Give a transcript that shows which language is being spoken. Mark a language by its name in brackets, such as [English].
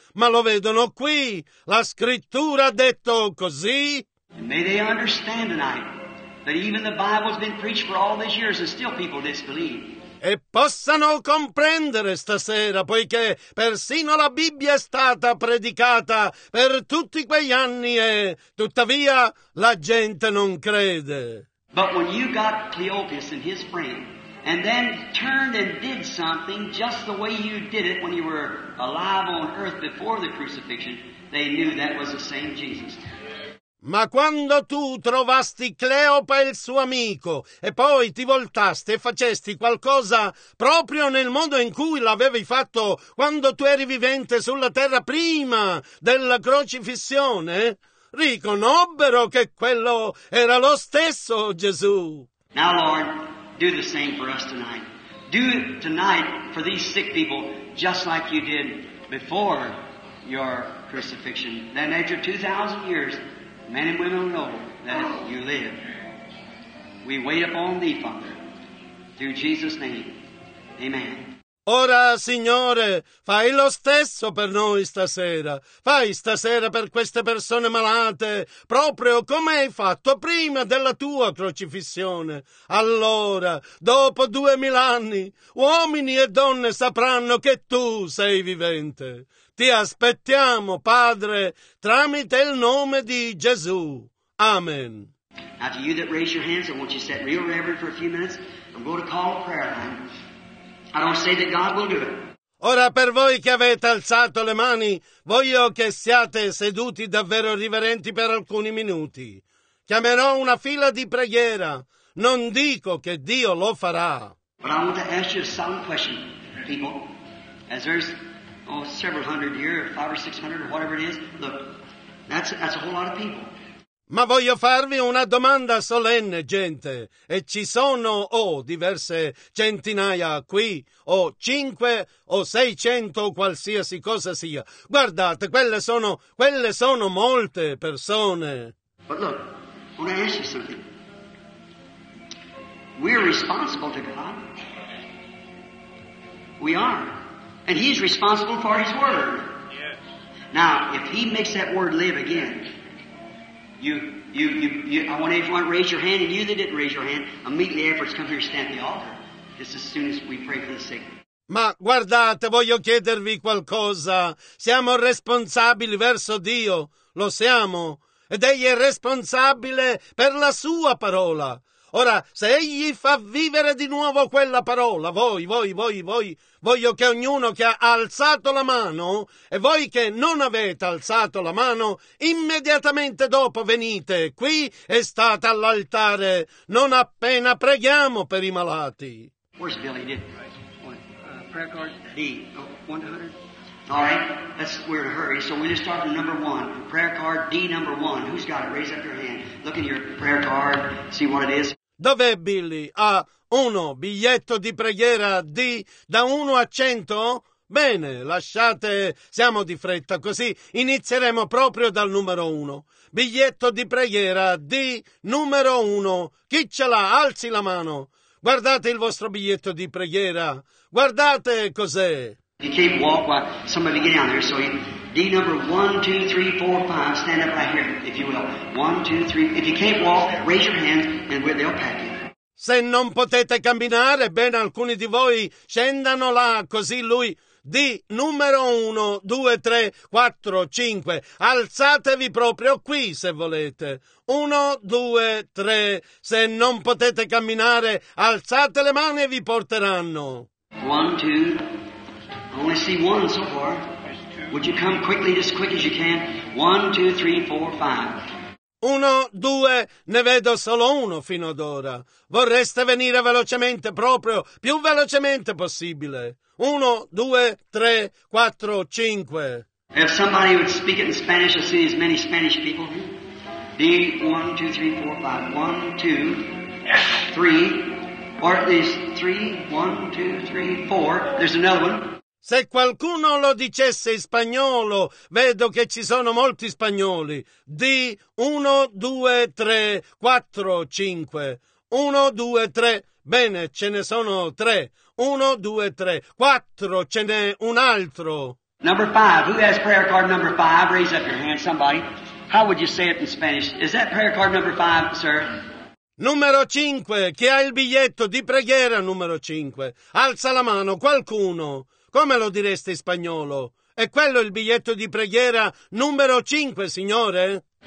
[Italian] Ma lo vedono qui. La scrittura ha detto così. [English] May they understand tonight that even the Bible has been preached for all these years and still people disbelieve. [Italian] E possano comprendere stasera, poiché persino la Bibbia è stata predicata per tutti quegli anni e tuttavia la gente non crede. [English] But when you got Cleopas and his friend and then turned and did something just the way you did it when you were alive on earth before the crucifixion, they knew that was the same Jesus. [Italian] Ma quando tu trovasti Cleopa e il suo amico e poi ti voltasti e facesti qualcosa proprio nel modo in cui l'avevi fatto quando tu eri vivente sulla terra prima della crocifissione, riconobbero che quello era lo stesso Gesù. [English] Now Lord, do the same for us tonight. Do it tonight for these sick people just like you did before your crucifixion. Then after 2,000 years, men and women know that you live. We wait upon thee, Father, through Jesus' name. Amen. [Italian] Ora, Signore, fai lo stesso per noi stasera. Fai stasera per queste persone malate, proprio come hai fatto prima della tua crocifissione. Allora, dopo 2000 anni, uomini e donne sapranno che tu sei vivente. Ti aspettiamo, Padre, tramite il nome di Gesù. Amen. [English] Now to you that raise your hands, I want you to sit real reverent for a few minutes. I'm going to call a prayer line. I don't say that God will do it. [Italian] Ora per voi che avete alzato le mani, voglio che siate seduti davvero riverenti per alcuni minuti. Chiamerò una fila di preghiera. Non dico che Dio lo farà. [English] But I want to ask you a solemn question, people. As there's several hundred here, 500 or 600 or whatever it is, look, that's a whole lot of people. [Italian] Ma voglio farvi una domanda solenne, gente. E ci sono diverse centinaia qui, o 500 o 600, qualsiasi cosa sia. Guardate, quelle sono molte persone. [English] But look, I want to ask you something. We're responsible to God. We are. And He's responsible for His Word. Yes. Now, if He makes that Word live again, You, I want everyone to raise your hand, and you that didn't raise your hand, immediately efforts come here and stand at the altar, just as soon as we pray for the sick. [Italian] Ma guardate, voglio chiedervi qualcosa. Siamo responsabili verso Dio, lo siamo, ed Egli è responsabile per la Sua parola. Ora, se Egli fa vivere di nuovo quella parola, voi, voglio che ognuno che ha alzato la mano e voi che non avete alzato la mano, immediatamente dopo venite qui e state all'altare, non appena preghiamo per i malati. [English] Where's Billy? Did prayer card D, 100? All right, that's, we're in a hurry, so we just start with number one. Prayer card D, number one. Who's got it? Raise up your hand. Look in your prayer card, see what it is. [Italian] Dov'è Billy? Uno, biglietto di preghiera di da 1 a 100? Bene, lasciate, siamo di fretta, così inizieremo proprio dal numero 1. Biglietto di preghiera di numero 1. Chi ce l'ha? Alzi la mano. Guardate il vostro biglietto di preghiera. Guardate cos'è. [English] You can't walk while somebody get down there, so you... D number 1, 2, 3, 4, 5. Stand up right here, if you will. 1, 2, 3. If you can't walk, raise your hands and they'll pack you. [Italian] Se non potete camminare, bene, alcuni di voi scendano là, così lui... Di numero 1, 2, 3, 4, 5. Alzatevi proprio qui se volete. 1, 2, 3. Se non potete camminare, alzate le mani e vi porteranno. [English] 1, 2. I only see one so far. Would you come quickly, as quick as you can? 1, 2, 3, 4, 5. [Italian] 1, 2, ne vedo solo uno fino ad ora. Vorreste venire velocemente, proprio più velocemente possibile. 1, 2, 3, 4, 5. [English] If somebody would speak it in Spanish, I'd see as many Spanish people. D, 1, 2, 3, 4, 5. 1, 2, 3. Or at least 3, 1, 2, 3, 4. There's another one. [Italian] Se qualcuno lo dicesse in spagnolo, vedo che ci sono molti spagnoli. Di 1, 2, 3, 4, 5. 1, 2, 3. Bene, ce ne sono 3. 1, 2, 3. 4, ce n'è un altro. [English] Number 5. Who has prayer card number 5? Raise up your hand, somebody. How would you say it in Spanish? Is that prayer card number 5, sir? [Italian] Numero 5. Chi ha il biglietto di preghiera numero 5? Alza la mano, qualcuno. Come lo direste in spagnolo? È quello il biglietto di preghiera numero 5, signore?